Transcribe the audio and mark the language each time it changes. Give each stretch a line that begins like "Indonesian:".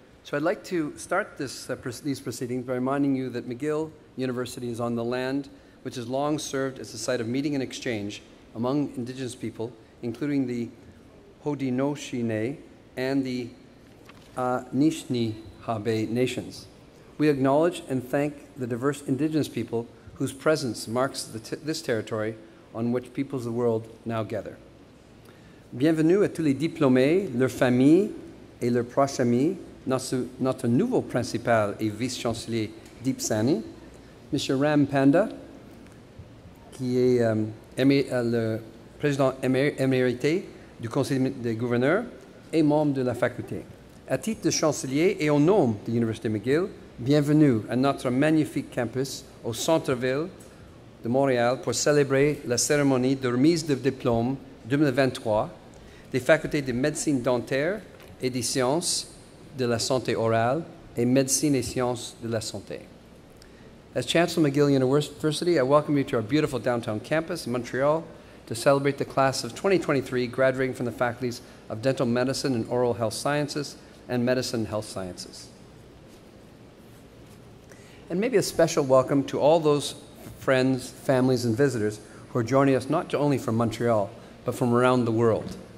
English: So I'd like to start this, these proceedings by reminding you that McGill University is on the land which has long served as a site of meeting and exchange among Indigenous people, including the Haudenosaunee and the Anishinaabe nations. We acknowledge and thank the diverse Indigenous people whose presence marks this territory on which peoples of the world now gather.
French: Bienvenue à tous les diplômés, leurs familles et leurs proches amis, notre nouveau principal et vice-chancelier Deep Sani, M. Ram Panda, qui est le président émérité du Conseil des gouverneurs et membre de la faculté. À titre de chancelier et au nom de l'Université McGill, bienvenue à notre magnifique campus au centre-ville de Montréal pour célébrer la cérémonie de remise de diplôme 2023 des facultés de médecine dentaire et des sciences de la santé orale et médecine et sciences de la santé.
English: As Chancellor McGill University, I welcome you to our beautiful downtown campus in Montreal to celebrate the class of 2023 graduating from the faculties of Dental Medicine and Oral Health Sciences and Medicine Health Sciences. And maybe a special welcome to all those friends, families, and visitors who are joining us not only from Montreal, but from around the world.